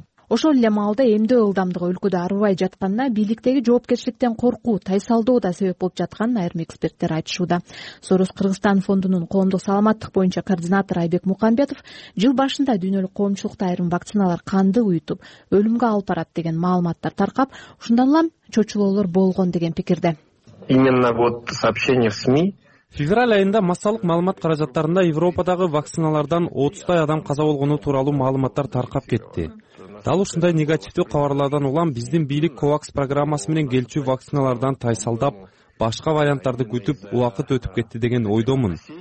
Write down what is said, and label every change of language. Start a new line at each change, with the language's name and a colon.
Kyrgyz: Ошол эле маалда эмдөө ылдамдыгы өлкөдө арыбай жатканына бийликтеги жоопкерчиликтен коркуу, тайсалдоо да себеп болуп жатканын айрым эксперттер айтышууда. Сорос Кыргызстан фондунун коомдук саламаттык боюнча координатору Айбек Мукамбетов жыл башында дүйнөлүк коомчулукта айрым вакциналар канды уютуп, өлүмгө алып барат деген маалыматтар таркап, ушундан улам чочулоолор болгон деген пикирде.
Russian: Именно вот сообщение в СМИ.
Kyrgyz: Февраль айында массалык маалымат каражаттарында Европадагы вакциналардан 30 адам каза болгону тууралуу маалыматтар таркап кетти. Дал ушундай негативдүү кабарлардан улам биздин бийлик COVAX программасы менен келчү вакциналардан тайсалдап, башка варианттарды күтүп, убакыт өтүп кетти деген ойдомун.